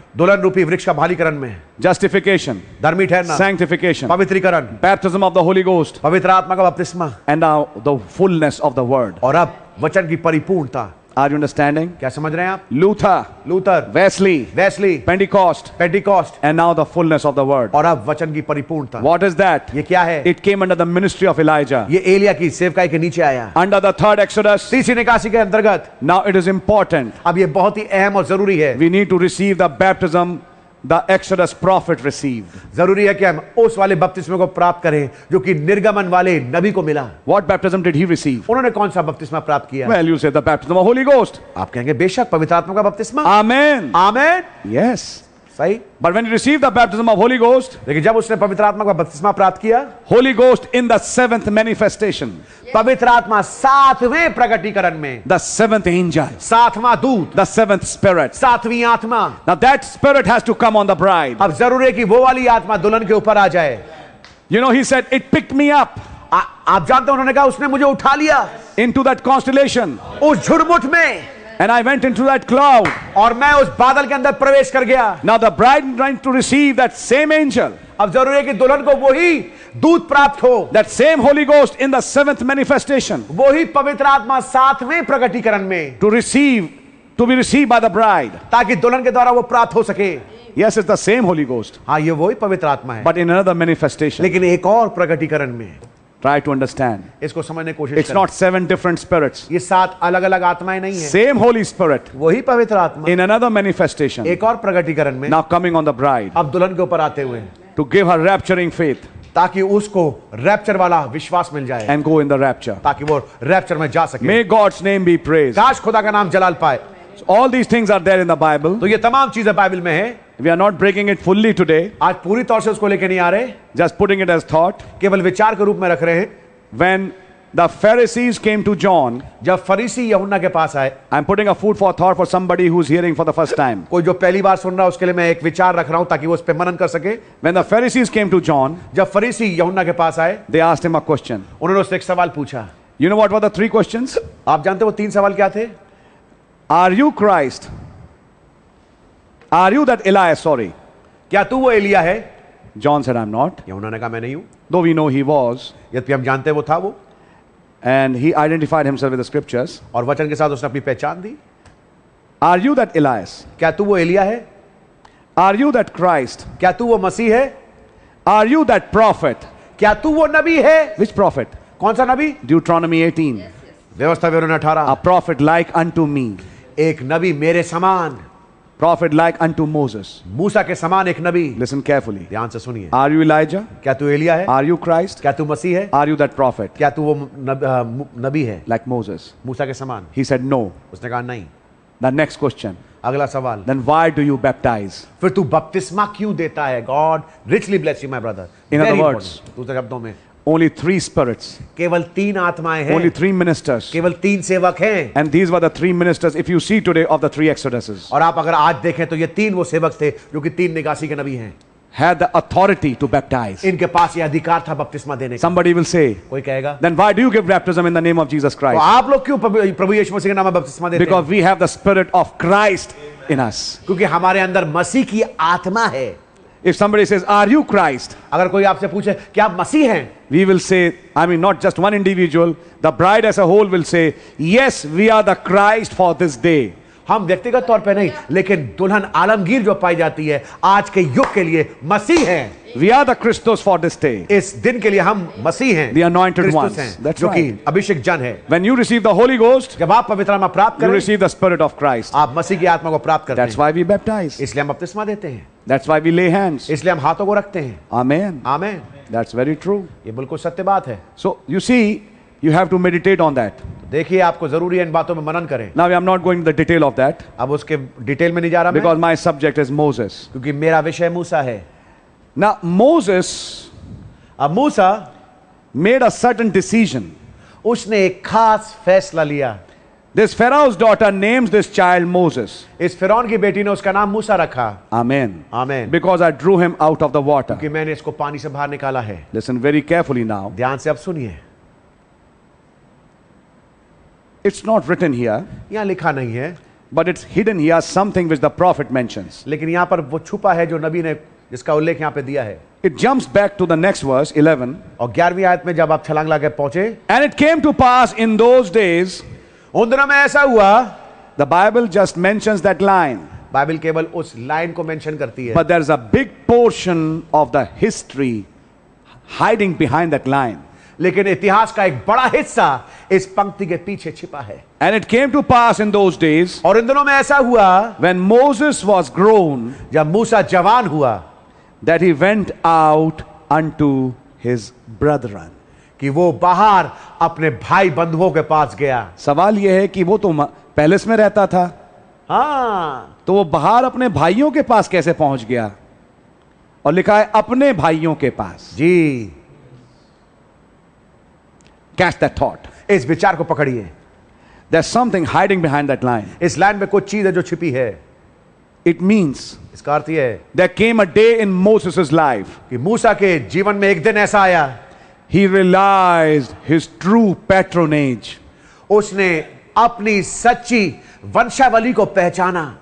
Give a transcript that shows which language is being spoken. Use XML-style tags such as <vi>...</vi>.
<hi>दुल्हन रूपी वृक्ष का बहालीकरण में,</hi> <en>justification,</en> <hi>धर्मी ठहरना,</hi> <en>sanctification,</en> <hi>पवित्रीकरण,</hi> <en>baptism of the Holy Ghost,</en> <hi>पवित्र आत्मा का बपतिस्मा,</hi> <en>and now the fullness of the word,</en> <hi>और अब वचन की परिपूर्णता.</hi> <en>Are you understanding?</en> <hi>क्या समझ रहे हैं आप?</hi> <en>Luther, Wesley, Pentecost, and now the fullness of the word.</en> <hi>और अब वचन की परिपूर्णता.</hi> <en>What is that?</en> <hi>ये क्या है?</hi> <en>It came under the ministry of Elijah.</en> <hi>ये एलिया की सेवकाई के नीचे आया.</hi> <en>Under the third Exodus.</en> <hi>तीसरी निकासी के अंतर्गत.</hi> <en>Now it is important.</en> <hi>अब ये बहुत ही अहम और जरूरी है.</hi> <en>We need to receive the baptism the Exodus prophet received.</en> <hi>जरूरी है कि हम उस वाले बपतिस्मे को प्राप्त करें जो कि निर्गमन वाले नबी को मिला.</hi> <en>What baptism did he receive?</en> <hi>उन्होंने कौन सा बपतिस्मा प्राप्त किया?</hi> <en>Well, you say the baptism of Holy Ghost.</en> <hi>आप कहेंगे बेशक पवित्र आत्मा का बपतिस्मा. Amen. Amen.</hi> <en>Yes.</en> <hi>सही.</hi> <en>But when he received the baptism of Holy Ghost,</en> <hi>लेकिन जब उसने पवित्र आत्मा का बपतिस्मा प्राप्त किया,</hi> <en>Holy Ghost in the seventh manifestation.</en> <hi>पवित्र आत्मा सातवें प्रकटीकरण में.</hi> <en>The seventh angel.</en> <hi>सातवां दूत.</hi> <en>The seventh spirit.</en> <hi>सातवीं आत्मा.</hi> <en>Now that spirit has to come on the bride.</en> <hi>अब जरूरी है कि वो वाली आत्मा दुल्हन के ऊपर आ जाए.</hi> <en>You know he said it picked me up.</en> <hi>आप जानते हैं उन्होंने कहा उसने मुझे उठा लिया.</hi> <en>Into that constellation.</en> <hi>उस झुरमुट में.</hi> <en>And I went into that cloud.</en> <hi>और मैं उस बादल के अंदर प्रवेश कर गया.</hi> <en>Now the bride trying to receive that same angel.</en> <hi>अब जरूरी है कि दुल्हन को वही दूत प्राप्त हो.</hi> <en>That same Holy Ghost in the seventh manifestation.</en> <hi>वही पवित्र आत्मा सातवें प्रकटीकरण में.</hi> <en>To be received by the bride.</en> <hi>ताकि दुल्हन के द्वारा वो प्राप्त हो सके.</hi> <en>Yes, it's the same Holy Ghost.</en> <hi>हाँ, ये वही पवित्र आत्मा है.</hi> <en>But in another manifestation.</en> <hi>लेकिन एक और प्रकटीकरण में.</hi> <en>Try to understand.</en> <hi>इसको समझने की कोशिश</hi> <en>करें. It's not seven different spirits.</en> <hi>ये सात अलग-अलग आत्माएं नहीं हैं.</hi> <en>Same Holy Spirit.</en> <hi>वही पवित्र आत्मा.</hi> <en>In another manifestation.</en> <hi>एक और प्रकटीकरण में.</hi> <en>Now coming on the bride.</en> <hi>अब दुल्हन के ऊपर आते हुए.</hi> <en>To give her rapturing faith.</en> <hi>ताकि उसको रैप्चर वाला विश्वास मिल जाए.</hi> <en>And go in the rapture.</en> <hi>ताकि वो रैप्चर में जा सके.</hi> <en>May God's name be praised.</en> <hi>काश खुदा का नाम जलाल पाए.</hi> <en>So all these things are there in the Bible.</en> <hi>तो ये तमाम चीजें बाइबल में हैं.</hi> <en>We are not breaking it fully today.</en> <hi>आज पूरी तौर से उसको लेके नहीं आ रहे.</hi> <en>Just putting it as thought.</en> <hi>केवल विचार के रूप में रख रहे हैं.</hi> <en>When the Pharisees came to John.</en> <hi>जब फरीसी यूहन्ना के पास आए.</hi> <en>I am putting a food for thought for somebody who is hearing for the first time.</en> <hi>कोई जो पहली बार सुन रहा है उसके लिए मैं एक विचार रख रहा हूँ ताकि वो उस पे मनन कर सके.</hi> <en>When the Pharisees came to John.</en> <hi>जब फरीसी यूहन्ना के पास आए.</hi> <en>They asked him a question.</en> <hi>उन्होंने उससे एक सवाल पूछा.</hi> <en>You know what were the three questions?</en> <hi>आप जानते हो वो तीन सवाल क्या थे?</hi> <en>Are you Christ? Are you that Elias? Sorry.</en> <hi>क्या तू वो एलिया है?</hi> <en>John said, I'm not.</en> <hi>यूहन्ना ने कहा मैं नहीं हूँ.</hi> <en>Though we know he was.</en> <hi>यद्यपि हम जानते हैं वो था वो.</hi> <en>And he identified himself with the scriptures.</en> <hi>और वचन के साथ उसने अपनी पहचान दी.</hi> <en>Are you that Elias?</en> <hi>क्या तू वो एलिया है?</hi> <en>Are you that Christ?</en> <hi>क्या तू वो मसीह है?</hi> <en>Are you that prophet?</en> <hi>क्या तू वो नबी है?</hi> <en>Which prophet?</en> <hi>कौन सा नबी?</hi> <en>Deuteronomy 18.</en> <hi>व्यवस्था विवरण 18.</hi> <en>A prophet like unto me.</en> <hi>एक नबी मेरे समान.</hi> <en>Prophet like unto Moses.</en> <hi>मूसा के समान एक नबी.</hi> <en>Listen carefully.</en> <hi>ध्यान से सुनिए.</hi> <en>Are you Elijah?</en> <hi>क्या तू एलिया है?</hi> <en>Are you Christ?</en> <hi>क्या तू मसीह है?</hi> <en>Are you that prophet?</en> <hi>क्या तू वो नबी है?</hi> <en>Like Moses.</en> <hi>मूसा के समान.</hi> <en>He said no.</en> <hi>उसने कहा नहीं.</hi> <en>The next question.</en> <hi>अगला सवाल.</hi> <en>Then why do you baptize?</en> <hi>फिर तू बपतिस्मा क्यों देता है?</hi> <en>God richly bless you, my brother. In other words,</en> <hi>दूसरे शब्दों में.</hi> <en>Only three spirits.</en> <hi>केवल तीन आत्माएं हैं.</hi> <en>Only three ministers.</en> <hi>केवल तीन सेवक हैं.</hi> <en>And these were the three ministers. If you see today of the three exoduses.</en> <hi>और आप अगर आज देखें तो ये तीन वो सेवक थे जो कि तीन निकासी के नबी हैं.</hi> <en>Had the authority to baptize.</en> <hi>इनके पास ये अधिकार था बपतिस्मा देने का.</hi> <en>Somebody will say.</en> <hi>कोई कहेगा.</hi> <en>Then why do you give baptism in the name of Jesus Christ?</en> <hi>तो आप लोग क्यों प्रभु यीशु मसीह के नाम में बपतिस्मा देते हैं?</hi> <en>Because we have the spirit of Christ in us.</en> <hi>क्योंकि हमारे अंदर मसीह की आत्मा है.</hi> <en>If somebody says, "Are you Christ?"</en> <hi>अगर कोई आपसे पूछे कि आप मसीह हैं,</hi> <en>we will say, I mean, not just one individual, the bride as a whole will say, "Yes, we are the Christ for this day."</en> <hi>हम व्यक्तिगत तौर पे नहीं, लेकिन दुल्हन आलमगीर जो पाई जाती है आज के युग के लिए मसीह हैं.</hi> <en>We are the Christos for this day.</en> <hi>इस दिन के लिए हम मसीह हैं.</hi> <en>The anointed ones. That's</en> <hi>जो कि अभिषेक जन है.</hi> <en>When you receive the Holy Ghost,</en> <hi>जब आप पवित्र आत्मा प्राप्त करें,</hi> <en>you receive the Spirit of Christ.</en> <hi>आप मसीह की आत्मा को प्राप्त करते</hi> <en>हैं. That's why we baptize.</en> <hi>इसलिए हम बपतिस्मा देते हैं.</hi> <en>That's why we lay hands.</en> <hi>इसलिए हम हाथों को रखते हैं. Amen. Amen.</hi> <en>That's very true.</en> <hi>ये बिल्कुल सत्य बात है.</hi> <en>So you see, you have to meditate on that.</en> <hi>देखिए आपको जरूरी है इन बातों में मनन करें.</hi> <en>Now I am not going to the detail of that.</en> <hi>अब उसके डिटेल में नहीं जा रहा मैं.</hi> <en>Because my subject is Moses.</en> <hi>क्योंकि मेरा विषय मूसा है.</hi> <en>Now Moses.</en> <hi>अब मूसा.</hi> <en>Made a certain decision.</en> <hi>उसने एक खास फैसला लिया.</hi> <en>This Pharaoh's daughter names this child Moses.</en> <hi>इस फिरौन की बेटी ने उसका नाम मूसा रखा. Amen. Amen.</hi> <en>Because I drew him out of the water.</en> <hi>क्योंकि मैंने इसको पानी से बाहर निकाला है.</hi> <en>Listen very carefully now.</en> <hi>ध्यान से अब सुनिए.</hi> <en>It's not written here.</en> <hi>यहाँ लिखा नहीं है.</hi> <en>But it's hidden here something which the prophet mentions.</en> <hi>लेकिन यहाँ पर वो छुपा है जो नबी ने जिसका उल्लेख यहाँ पे दिया है.</hi> <en>It jumps back to the next verse 11.</en> <hi>और 11वीं आयत में जब आप छलांग लगाकर पहुँचे.</hi> <en>And it came to pass in those days.</en> <hi>उन दिनों में ऐसा हुआ.</hi> <en>The Bible just mentions that line.</en> <hi>Bible केवल उस लाइन को मेंशन करती है.</hi> <en>But there's a big portion of the history hiding behind that line.</en> <hi>लेकिन इतिहास का एक बड़ा हिस्सा इस पंक्ति के पीछे छिपा है.</hi> <en>And it came to pass in those days.</en> <hi>और इन दिनों में ऐसा हुआ.</hi> <en>When Moses was grown.</en> <hi>जब मूसा जवान हुआ.</hi> <en>That he went out unto his brethren.</en> <hi>कि वो बाहर अपने भाई बंधुओं के पास गया. सवाल यह है कि वो तो पैलेस में रहता था. हाँ. तो वो बाहर अपने भाइयों के पास कैसे पहुंच गया? और लिखा है अपने भाइयों के पास. जी.</hi> <en>Catch that thought.</en> <hi>इस विचार को पकड़िए.</hi> <en>There's something hiding behind that line.</en> <hi>इस लाइन में कुछ चीज है जो छिपी है.</hi> <en>It means.</en> <hi>इसका अर्थ यह है.</hi> <en>There came a day in Moses's life.</en> <hi>कि मूसा के जीवन में एक दिन ऐसा आया.</hi> <en>He realized his true patronage.</en> <hi>उसने अपनी सच्ची वंशावली को पहचाना.</hi>